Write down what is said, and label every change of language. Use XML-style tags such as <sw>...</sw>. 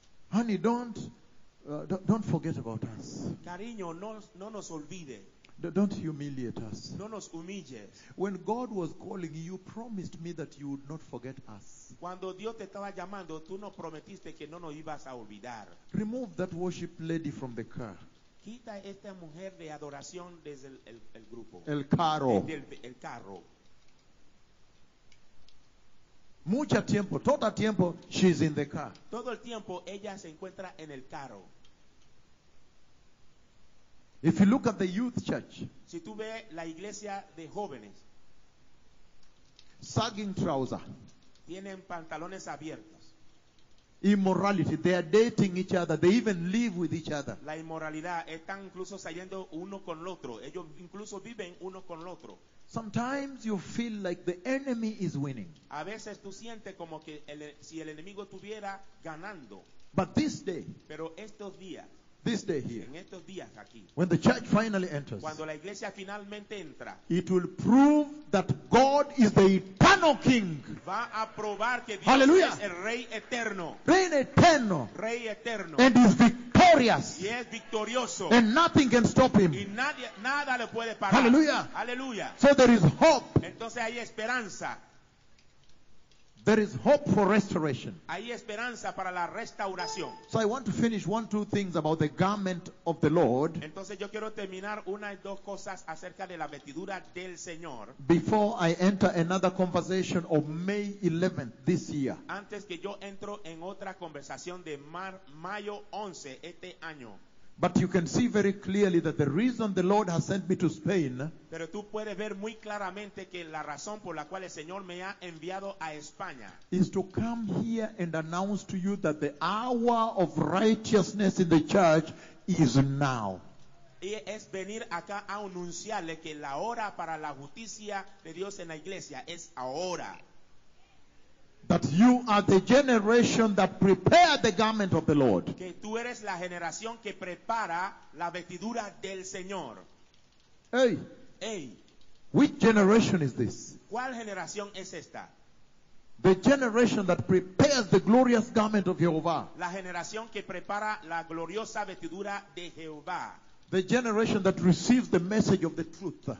<en>Honey, don't forget about us.</en> <es>Cariño, no nos olvide.</es> <en>Don't humiliate us.</en> <es>No nos humille.</es> <en>When God was calling you, you promised me that you would not forget us.</en> <es>Cuando Dios te estaba llamando, tú nos prometiste que no nos ibas a olvidar.</es> <en>Remove that worship lady from the car.</en> <es>Quita esta mujer de adoración desde el grupo. El carro. El carro. Mucho tiempo, todo el tiempo,</es> <en>she's in the car.</en> <es>Todo el tiempo, ella se encuentra en el carro.</es> <en>If you look at the youth church,</en> <es>si tú ves la iglesia de jóvenes,</es> <en>sagging trousers,</en> <es>tienen pantalones abiertos.</es> <en>Immorality, they are dating each other, they even live with each other.</en> <es>La inmoralidad, están incluso saliendo uno con el otro, ellos incluso viven uno con el otro.</es> <en>Sometimes you feel like the enemy is winning.</en> <es>A veces tú sientes como que si el enemigo estuviera ganando.</es> <en>But this day,</en> <es>pero estos días,</es> <en>this day here,</en> <es>en estos días aquí,</es> <en>when the church finally enters,</en> <es>cuando la iglesia finalmente entra,</es> <en>it will prove that God is the eternal King.</en> <es>Va a probar que Dios, hallelujah, es el Rey eterno. Reign eterno. Rey eterno.</es> <en>And is victorious.</en> <es>Y es victorioso.</es> <en>And nothing can stop him.</en> <es>Y nada le puede parar. Hallelujah. Hallelujah.</es> <en>So there is hope.</en> <es>Entonces hay esperanza.</es> <en>There is hope for restoration.</en> <es>Hay esperanza para la restauración.</es> <en>So I want to finish one, two things about the garment of the Lord.</en> <es>Entonces yo quiero terminar una y dos cosas acerca de la vestidura del Señor.</es> <en>Before I enter another conversation of May 11th this year.</en> <es>Antes que yo entro en otra conversación de mayo 11 este año.</es> <en>But you can see very clearly that the reason the Lord has sent me to Spain,</en> <es>pero tú puedes ver muy claramente que la razón por la cual el Señor me ha enviado a España,</es> <en>is to come here and announce to you that the hour of righteousness in the church is now.</en> <es>Y es venir acá a anunciarle que la hora para la justicia de Dios en la iglesia es ahora.</es> <en>That you are the generation that prepared the garment of the Lord.</en> <es>Que tú eres la generación que prepara la vestidura del Señor. Hey. Hey.</es> <en>Which generation is this?</en> <es>¿Cuál generación es esta?</es> <en>The generation that prepares the glorious garment of Jehovah.</en> <es>La generación que prepara la gloriosa vestidura de Jehová.</es> <en>The generation that receives the message of the truth.</en>